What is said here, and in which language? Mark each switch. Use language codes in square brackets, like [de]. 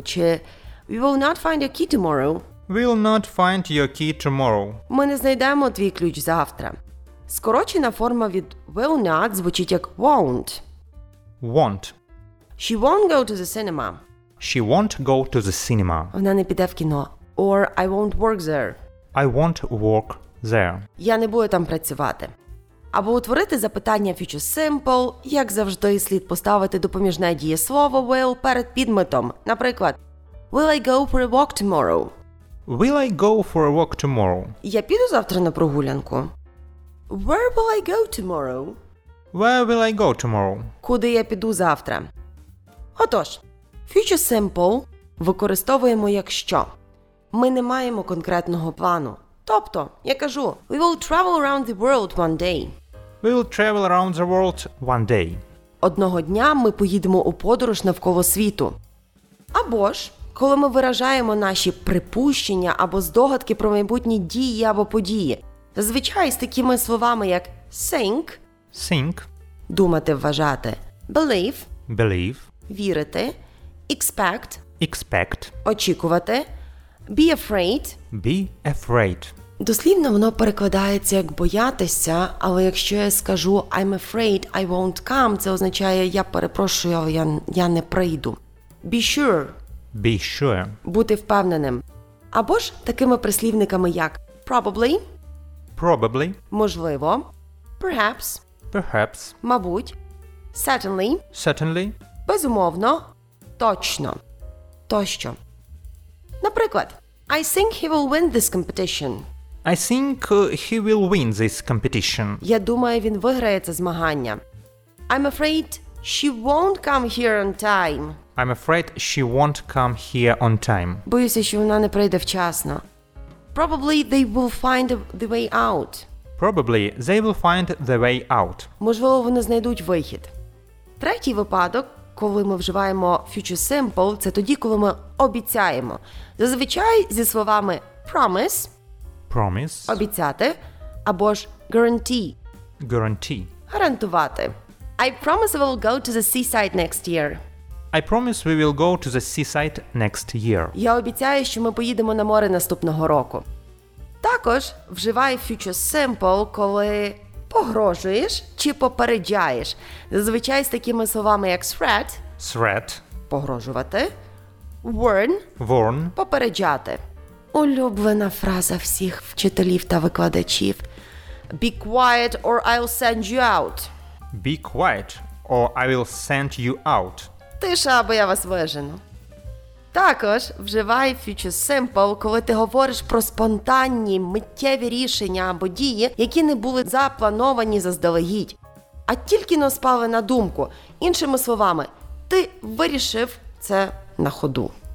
[uk] Чи [en] we will not find your key tomorrow. We will not find your key tomorrow. [uk] Ми не знайдемо твій ключ завтра. Скорочена форма від will not звучить як won't. [en] Won't. She won't go to the cinema. She won't go to the cinema. [uk] Вона не піде в кіно. [en] Or I won't work there. I won't work there. [uk] Я не буду там працювати. Або утворити запитання Future Simple, як завжди слід поставити допоміжне дієслово will перед підметом. Наприклад, [en] Will I go for a walk tomorrow? Will I go for a walk tomorrow? [uk] Я піду завтра на прогулянку. [en] Where will I go tomorrow? Where will I go tomorrow? [uk] Куди я піду завтра? Отож, Future Simple використовуємо якщо. Ми не маємо конкретного плану. Тобто, я кажу, [en] we will travel around the world one day. We will travel around the world one day. [uk] Одного дня ми поїдемо у подорож навколо світу. Або ж, коли ми виражаємо наші припущення або здогадки про майбутні дії або події. Зазвичай з такими словами як think, [en] think, [uk] думати, вважати, believe, [en] believe, [uk] вірити, expect, [en] expect, очікувати, be afraid, be afraid. [uk] Дослівно воно перекладається як боятися, але якщо я скажу [en] I'm afraid I won't come, [uk] це означає я перепрошую, але я не прийду. [en] Be sure, be sure. [uk] Бути впевненим. Або ж такими прислівниками як probably, [en] probably. [uk] Можливо, perhaps, [en] perhaps. [uk] Мабуть, certainly, [en] certainly. [uk] Безумовно, точно. Тощо. Наприклад, [en] I think he will win this competition. I think he will win this competition. [uk] Я думаю, він виграє це змагання. [en] I'm afraid she won't come here on time. I'm afraid she won't come here on time. [uk] Боюся, що вона не прийде вчасно. [en] Probably they will find the way out. Probably they will find the way out. [uk] Можливо, вони знайдуть вихід. Третій випадок, коли ми вживаємо Future Simple, це тоді, коли ми обіцяємо. Зазвичай зі словами promise, [en] promise, [uk] обіцяти, або ж guarantee, [en] guarantee, [uk] гарантувати. [en] I promise we will go to the seaside next year. I promise we will go to the seaside next year. [uk] Я обіцяю, що ми поїдемо на море наступного року. Також вживай Future Simple, коли погрожуєш чи попереджаєш. Зазвичай з такими словами як threat, [en] threat, [uk] погрожувати, warn, [en] warn, [uk] попереджати. Улюблена фраза всіх вчителів та викладачів. [en] Be quiet or I'll send you out. Be quiet or I will send you out. [uk] Тиша, або я вас вижену. Також вживай Future Simple, коли ти говориш про спонтанні, миттєві рішення або дії, які не були заплановані заздалегідь. а тільки-но спали на думку. Іншими словами, ти вирішив це на ходу.